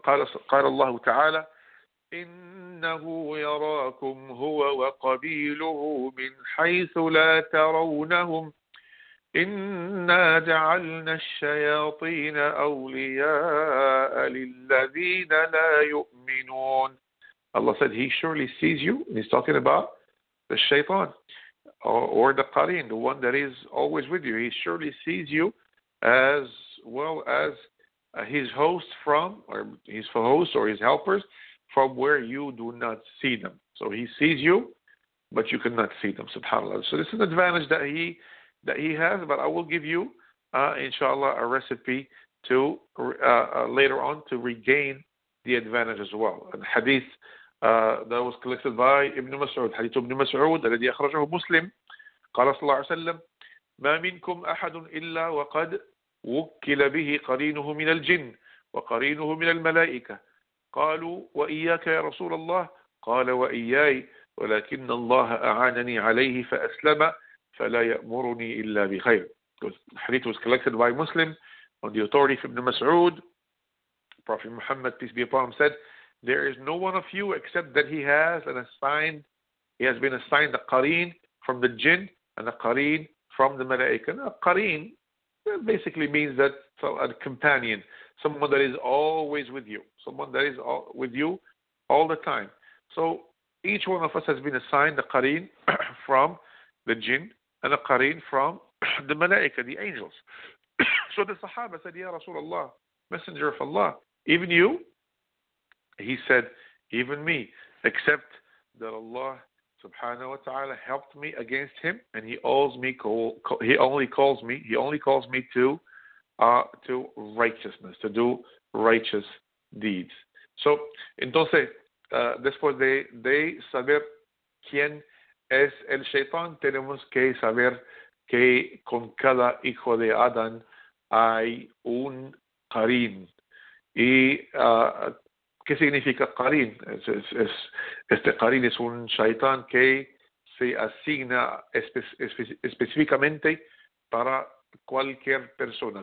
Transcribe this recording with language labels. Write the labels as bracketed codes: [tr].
[ar] قال الله تعالى إنه يراكم هو وقبيله من حيث لا ترونهم إنا جعلنا الشياطين أولياء للذين لا يؤمنون. [en] Allah said he surely sees you, and he's talking about the shaytan or the qareen, the one that is always with you. He surely sees you as well as his host from, or his host or his helpers, from where you do not see them. So he sees you, but you cannot see them, subhanAllah. So this is an advantage that he has, but I will give you, inshallah, a recipe to later on to regain the advantage as well. And hadith that was collected by Ibn Mas'ud, [ar] hadith Ibn Mas'ud, الذي أخرجه مسلم, قال صلى الله عليه وسلم, ما منكم أحد إلا وقد وكل به قرينه من الجن, وقرينه من الملائكة. قالوا: وإياك يا رسول الله. قال: وإياي، ولكن الله أعانني عليه فأسلم، فلا يأمرني إلا بخير. [en] الحديث was collected by Muslim on the authority of Ibn Mas'ud. Prophet Muhammad, peace be upon him, said, there is no one of you except that he has an assigned, he has been assigned a qareen from the jinn and a qareen from the malaika. A qareen basically means that a companion, someone that is always with you, someone that is with you all the time. So each one of us has been assigned a qareen from the jinn and a qareen from the malaika, the angels. So the sahaba said, ya Rasulullah, messenger of Allah, even you? He said, even me, except that Allah subhanahu wa ta'ala helped me against him, and he only calls me to righteousness, to do righteous deeds. [es] So entonces después de saber quién es el shaitan, tenemos que saber que con cada hijo de Adán hay un qareen. Y ¿qué significa qareen? Este qareen es un shaitan que se asigna específicamente para cualquier persona.